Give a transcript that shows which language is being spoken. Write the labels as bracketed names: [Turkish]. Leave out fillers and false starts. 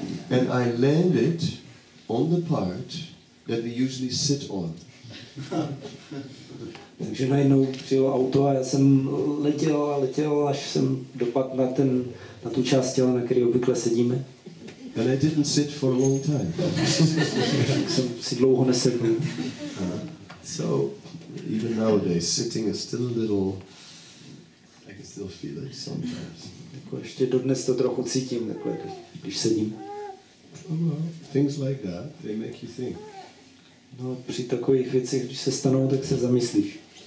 [English] And I landed on the part that we usually sit on. [Czech] Takže najednou přijelo auto a já jsem letěl, až jsem dopadl na ten, na tu část těla, na který obvykle sedíme. [English] And I didn't sit for a long time. [Czech] Jsem si dlouho nesedl. [English] So, even nowadays, sitting is still a little, I can still feel it sometimes. [Czech] Jako ještě dodnes to trochu cítím, takhle, když sedím. [English] Oh, well, things like that, they make you think. [Czech] No, při takových věcech, když se stanou, tak se zamyslíš.